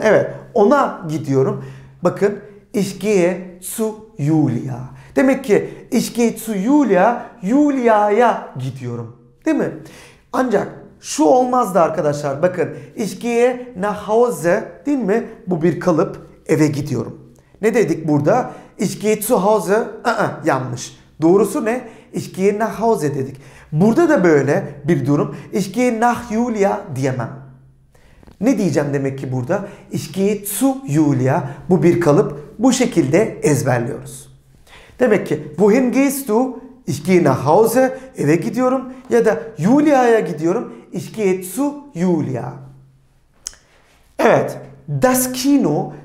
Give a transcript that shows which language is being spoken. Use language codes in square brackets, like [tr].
[tr] Evet, ona gidiyorum. Bakın, [de] ich gehe zu Julia. [tr] Demek ki [de] ich gehe zu Julia, [tr] Julia'ya gidiyorum. Değil mi? Ancak şu olmazdı arkadaşlar. Bakın, [de] ich gehe nach Hause, [tr] değil mi? Bu bir kalıp, eve gidiyorum. Ne dedik burada? [de] Ich gehe zu Hause, [tr] yanlış. Doğrusu ne? [de] Ich gehe nach Hause [tr] dedik. Burada da böyle bir durum. [de] Ich gehe nach Julia [tr] diyemem. Ne diyeceğim demek ki burada? [de] Ich gehe zu Julia. [tr] Bu bir kalıp. Bu şekilde ezberliyoruz. Demek ki [de] wohin gehst du? Ich gehe nach Hause. [tr] Eve gidiyorum. Ya da Julia'ya gidiyorum. [de] Ich gehe zu Julia. [tr] Evet. [de] Das Kino.